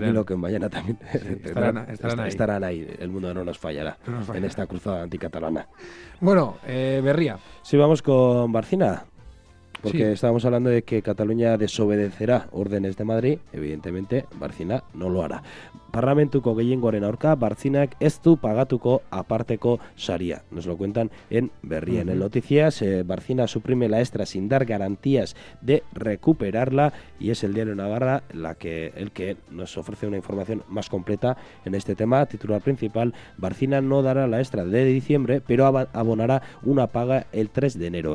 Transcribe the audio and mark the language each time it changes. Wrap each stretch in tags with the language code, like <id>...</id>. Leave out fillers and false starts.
<es>Tranquilo, que mañana también. Sí, estarán ahí. El Mundo no nos fallará en esta cruzada anticatalana. Bueno, Berria. Sí, vamos con Barcina. Porque sí, estábamos hablando de que Cataluña desobedecerá órdenes de Madrid, evidentemente Barcina no lo hará.</es> <eu>Parlamentuko gehiengoaren aurka Barcinak ez du pagatuko aparteko saria.</eu> <es>Nos lo cuentan en Berria. Uh-huh. En el Noticias, Barcina suprime la extra sin dar garantías de recuperarla, y es el diario Navarra el que nos ofrece una información más completa en este tema. Titular principal: Barcina no dará la extra de diciembre, pero abonará una paga el 3 de enero.</es>